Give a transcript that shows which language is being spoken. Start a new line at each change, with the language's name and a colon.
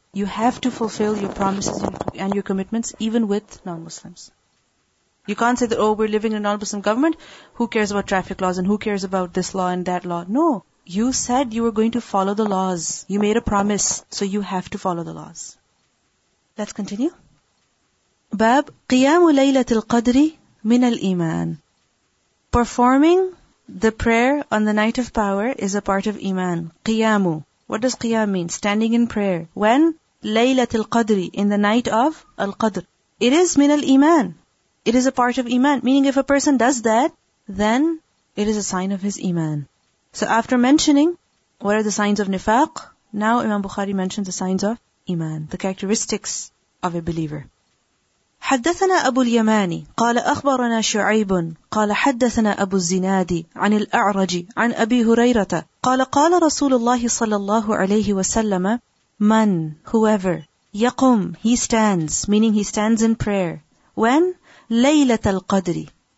English: You have to fulfill your promises and your commitments even with non-Muslims. You can't say that, oh, we're living in a non-Muslim government, who cares about traffic laws and who cares about this law and that law. No, you said you were going to follow the laws. You made a promise, so you have to follow the laws. Let's continue.
Arabic: Bab, قيام ليلة القدر من الإيمان.
English: Performing the prayer on the night of power is a part of Iman. قيامه. What does qiyam mean? Standing in prayer. When? Laylatul Qadri, in the night of Al-Qadr. It is min al-Iman. It is a part of Iman. Meaning if a person does that, then it is a sign of his Iman. So after mentioning what are the signs of nifaq, now Imam Bukhari mentions the signs of Iman, the characteristics of a believer.
Arabic: حدثنا أبو اليماني قال أخبرنا شعيب قال حدثنا أبو الزنادي عن الأعرج عن أبي هريرة قال قال رسول الله صلى الله عليه وسلم من
English: whoever
Arabic: يقوم
English: he stands meaning he stands in prayer when
Arabic: ليلة القدر